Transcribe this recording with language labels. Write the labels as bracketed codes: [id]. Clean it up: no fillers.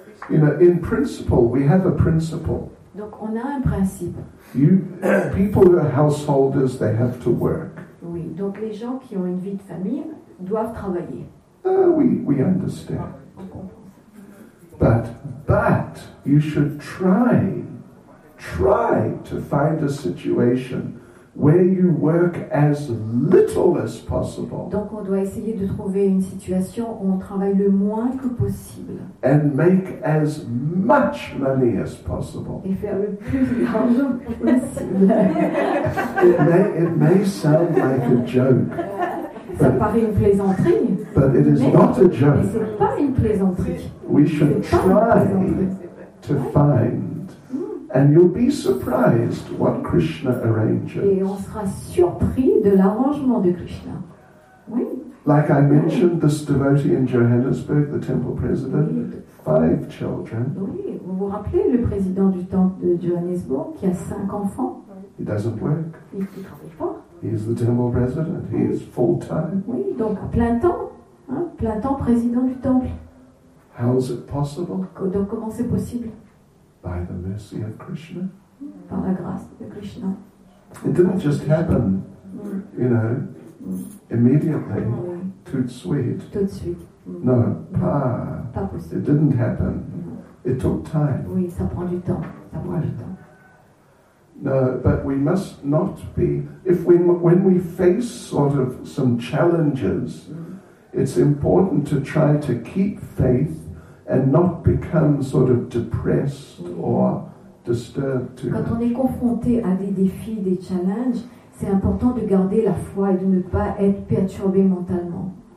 [en] You know, in principle, we have a principle. [fr] Donc, on a un principe. [en] You people who are householders, they have to work. [fr] Oui. Donc, les gens qui ont une vie de famille doivent travailler. [en] We understand. But you should try to find a situation where you work as little as possible. [fr] Donc on doit essayer de trouver une situation où on travaille le moins que possible. [en] And make as much money as possible. [fr] Et faire le plus d'argent possible. [en] It may sound like a joke. [fr] Ça paraît une plaisanterie. [en] But it is not a joke. [fr] Mais c'est pas une plaisanterie. [en] We should try to find, and you'll be surprised what Krishna arranges. [fr] Et on sera surpris de l'arrangement de Krishna. Oui. [en] Like I mentioned, this devotee in Johannesburg, the temple president, five children. [fr] Oui, vous vous rappelez le président du temple de Johannesburg qui a cinq enfants? [en] He doesn't work. [fr] Il ne travaille pas. [en] He's the temple president. He is full time. [fr] Oui, donc plein temps, hein, plein temps président du temple. [en] How is it possible? [fr] Donc comment c'est possible? [en] By the mercy of Krishna. [fr] Par la grâce de Krishna. [en] It didn't just happen, you know, immediately, [fr] tout de suite. Tout de suite. [en] No, [fr] pas possible. [en] It didn't happen. It took time. [fr] Oui, ça prend du temps. Ça prend du temps. [en] No, but we must not be. If we, when we face sort of some challenges, it's important to try to keep faith and not become sort of depressed or disturbed too. [fr] Quand on est confronté à des défis, des challenges, c'est important de garder la foi et de ne pas être perturbé mentalement.